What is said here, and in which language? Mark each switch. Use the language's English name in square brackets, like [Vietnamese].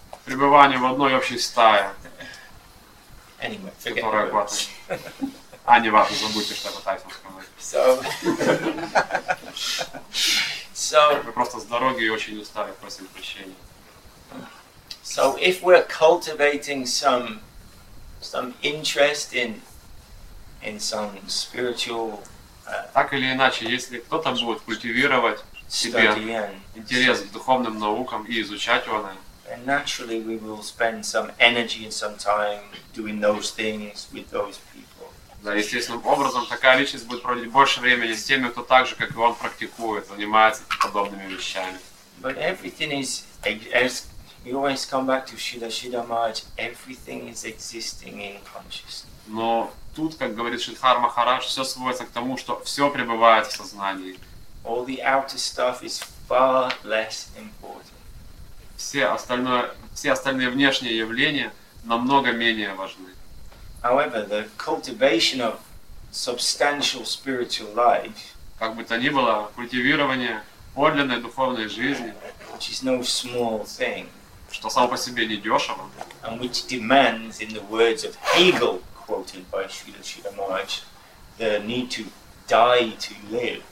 [Russian] Пребывание в одной общей стае. [English] Anyway, forget the words. [Russian] А, не важно, забудьте, что это Тайсон сказал. Мы просто с дороги и очень устали, просим прощения. [English] So, if we're cultivating some interest in some spiritual... [Russian] Так или иначе, если кто-то будет культивировать себе интерес к духовным наукам и изучать его, [English] and naturally we will spend some energy and some time doing those things with those people. [Russian] Да, естественным образом такая личность будет проводить больше времени с теми, кто так же, как и он, практикует, занимается подобными вещами. [English] But everything is, as you always come back to Shila Shidamaj, everything is existing in consciousness. [Russian] Но тут, как говорит Шридхар Махарадж, все сводится к тому, что все пребывает в сознании. [English] All the outer stuff is far less important. [Russian] Все остальные внешние явления намного менее важны. [English] However, the cultivation of substantial spiritual life, [Russian] как бы то ни было, культивирование подлинной духовной жизни, [English] which is no small thing, [Russian] что само по себе не дешево, [English] and which demands, in the words of Hegel, quoted by Shrila Shidamaj, the need to die to live.